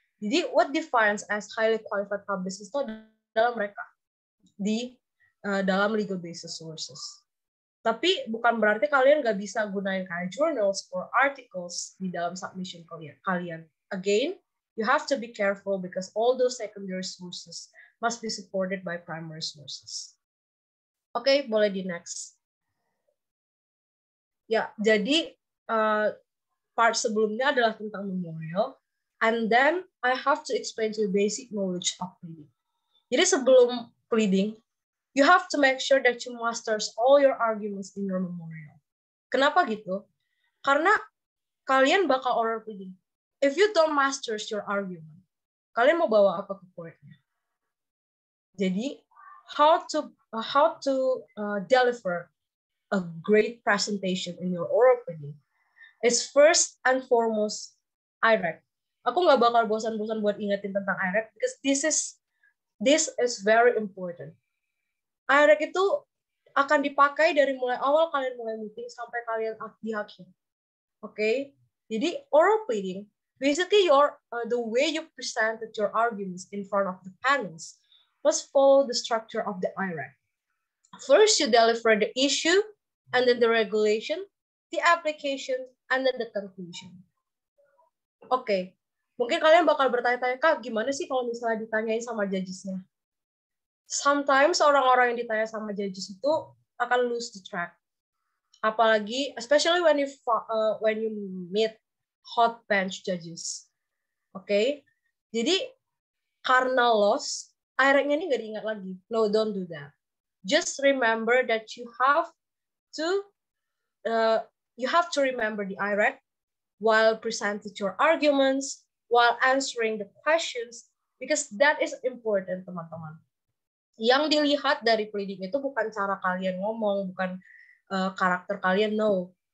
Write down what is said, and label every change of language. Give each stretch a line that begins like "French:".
English: Jadi, what defines as highly qualified publicist
Indonesian: itu adalah mereka di dalam
English: legal basis sources.
Indonesian: Tapi bukan berarti kalian nggak bisa gunain kayak
English: journals or articles
Indonesian: di dalam submission kalian.
English: Again, you have to be careful because all those secondary sources must be supported by primary sources.
Indonesian: Okay, boleh di next. Ya, jadi part sebelumnya adalah tentang memorial.
English: And then I have to explain to you basic knowledge of pleading.
Indonesian: Jadi sebelum
English: pleading, you have to make sure that you masters all your arguments in your memorial.
Indonesian: Kenapa gitu? Karena kalian bakal oral pleading.
English: If you don't master your argument,
Indonesian: kalian mau bawa apa ke courtnya?
English: Jadi, how to deliver a great presentation in your oral pleading is first and foremost IREC.
Indonesian: Aku nggak bakal bosan-bosan buat ingetin tentang IREC
English: because this is very important.
Indonesian: IREC itu akan dipakai dari mulai awal kalian mulai meeting sampai kalian di akhir.
English: Okay?
Indonesian: Jadi
English: oral pleading, basically the way you presented your arguments in front of the panels must follow the structure of the IREC. First, you deliver the issue, and then the regulation, the application, and then the conclusion. Okay.
Indonesian: Mungkin kalian bakal bertanya-tanya, Kak, gimana sih kalau misalnya ditanyain sama judges-nya? Sometimes orang-orang yang ditanya sama judges itu akan
English: lose the track.
Indonesian: Apalagi,
English: especially when you meet hot bench judges. Okay?
Indonesian: Jadi, karena loss, akhirnya ini nggak diingat lagi.
English: No, don't do that. Just remember that you have to remember the IREC while presenting your arguments, while answering the questions, because that is important,
Indonesian: teman-teman. Yang dilihat dari pleading itu bukan cara kalian ngomong, bukan karakter kalian, no.